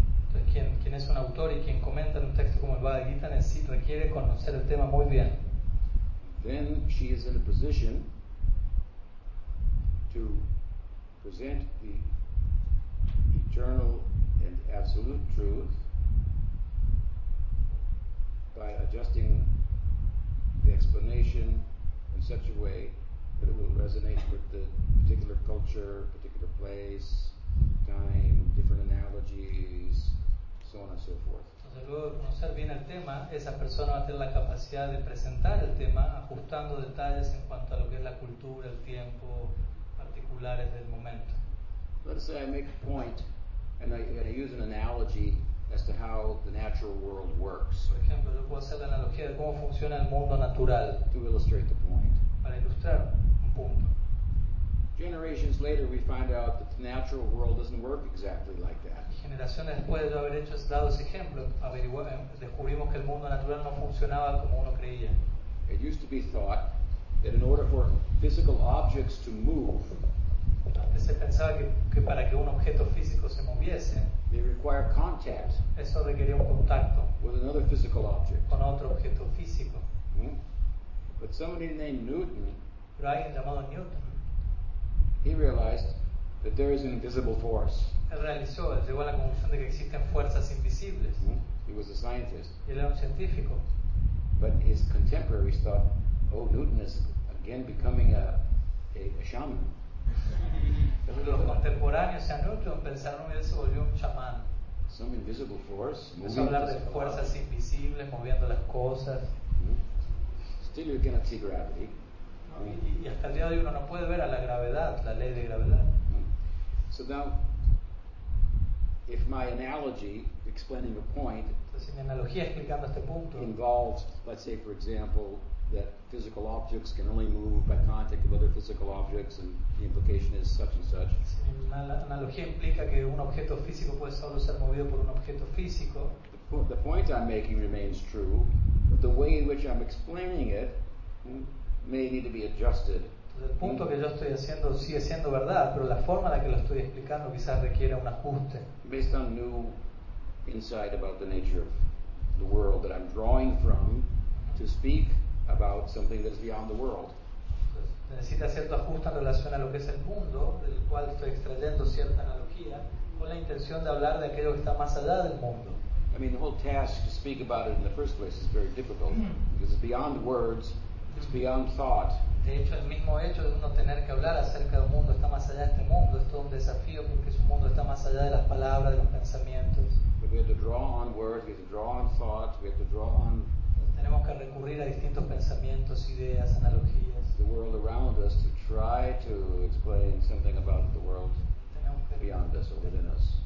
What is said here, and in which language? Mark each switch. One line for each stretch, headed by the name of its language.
Spanish: Entonces, ¿quién es un autor y quien comenta en un texto como el Bhagavad Gita requiere conocer el tema muy bien?
English: Then she is in a position to present the eternal and absolute truth by adjusting the explanation in such a way that it will resonate with the particular culture, particular place, time, different analogies, so on and so forth.
Spanish: Entonces, luego de conocer bien el tema, esa persona va a tener la capacidad de presentar el tema ajustando detalles en cuanto a lo que es la cultura, el tiempo, particulares del momento.
English: Let's say I make a point and I use an analogy as to how the natural world works.
Spanish: Por ejemplo, yo puedo hacer la analogía de cómo funciona el mundo natural.
English: To illustrate the point.
Spanish: Para ilustrar un punto.
English: Generations later, we find out that the natural world doesn't work exactly like that.
Spanish: Generaciones después de haber hecho dado ese ejemplo, descubrimos que el mundo natural no funcionaba como uno creía.
English: It used to be thought that in order for physical objects to move,
Spanish: se pensaba que para que un objeto físico se moviese,
English: they require contact,
Spanish: eso requería un contacto,
English: with another physical object,
Spanish: con otro objeto físico.
English: But somebody named Newton,
Spanish: pero alguien llamado Newton,
English: he realized that there is an invisible force.
Spanish: Él realizó, él llegó a la conclusión de que existen fuerzas invisibles.
English: He was a scientist.
Spanish: Y él era un científico.
English: But his contemporaries thought, oh, Newton is again becoming a shaman.
Spanish: Los contemporáneos a Newton pensaron que él se volvió un chamán.
English: Some invisible force.
Spanish: Empezó a hablar de fuerzas invisibles moviendo las cosas.
English: Still, you cannot see gravity.
Spanish: Y hasta el día de hoy uno no puede ver a la gravedad, la ley de gravedad.
English: So now, if my analogy explaining a point,
Spanish: entonces mi analogía explicando este punto,
English: involves, let's say, for example, that physical objects can only move by contact with other physical objects, and the implication is such and such.
Spanish: Analogía implica que un objeto físico puede solo ser movido por un objeto físico.
English: The point I'm making remains true, but the way in which I'm explaining it may need to be adjusted.
Spanish: Entonces, el punto que yo estoy haciendo sigue siendo verdad, pero la forma en la que lo estoy explicando quizás requiera un ajuste.
English: Based on new insight about the nature of the world that I'm drawing from to speak about something that's beyond the world.
Spanish: Necesita cierto ajuste en relación a lo que es el mundo, del cual estoy extrayendo cierta analogía, con la intención de hablar de aquello que está más allá del mundo.
English: I mean, the whole task to speak about it in the first place is very difficult, because it's beyond words, it's beyond thought.
Spanish: De hecho, el mismo hecho de uno tener que hablar acerca del mundo está más allá de este mundo, es todo un desafío porque su mundo está más allá de las palabras, de los pensamientos.
English: But we have to draw on words, we have to draw on thought, we have to draw on.
Spanish: Tenemos que recurrir a distintos pensamientos, ideas, analogías.
English: The world around us to try to explain something about the world beyond us or within us.